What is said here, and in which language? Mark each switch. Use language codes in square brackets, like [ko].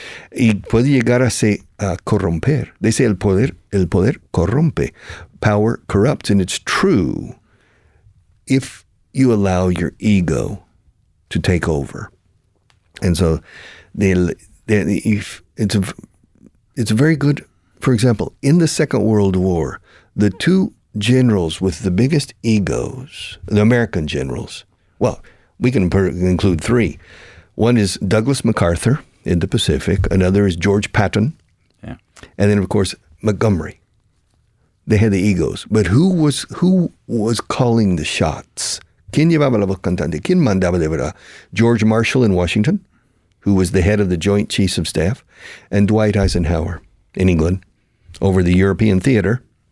[es] Y puede llegar a corromper. [en] They say [es] el poder corrompe. [en] Power corrupts, and it's true if you allow your ego to take over. And so it's a very good, for example, in the Second World War, the two generals with the biggest egos, the American generals, well, we can include three. One is Douglas MacArthur in the Pacific. Another is George Patton. Yeah. And then, of course, Montgomery. They had the egos. But who was calling the shots? [es] ¿Quién llevaba la voz cantante? ¿Quién mandaba de verdad? [en] George Marshall in Washington, who was the head of the Joint Chiefs of Staff, and Dwight Eisenhower in England over the European theater.